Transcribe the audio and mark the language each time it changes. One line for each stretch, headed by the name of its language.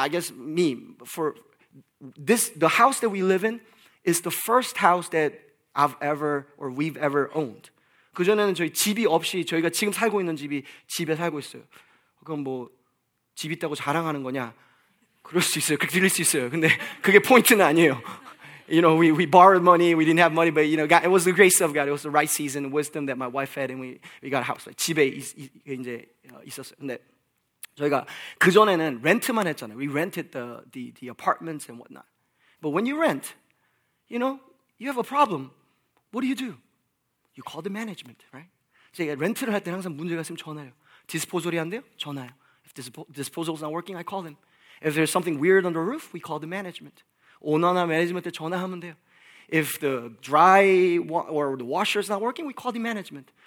English: The house that we live in is the first house that we've ever owned.
Korean: 그 전에는 저희 집이 없이 저희가 지금 살고 있는 집이 집에 살고 있어요. 그럼 뭐 집 있다고 자랑하는 거냐? 그럴 수 있어요. 그렇게 들릴 수 있어요. 근데 그게 포인트는 아니에요.
English: You know, we borrowed money. We didn't have money, but you know, God, it was the grace of God. It was the right season, wisdom that my wife had, and we got a house.
Korean: 집에 이제 있었어요. 근데 저희가 그 전에는 렌트만 했잖아요.
English: We rented the apartments and whatnot. But when you rent, you know, you have a problem. What do? You call the management, right?
Korean: 제가 렌트를 할 때 항상 문제가 있으면 전화요. Disposal이 안 돼요? 전화요.
English: If disposal is not working, I call them. If there's something weird on the roof, we call the management.
Korean: 오너나 매니지먼트에 전화하면 돼요.
English: If the dry or the washer is not working, we call the management.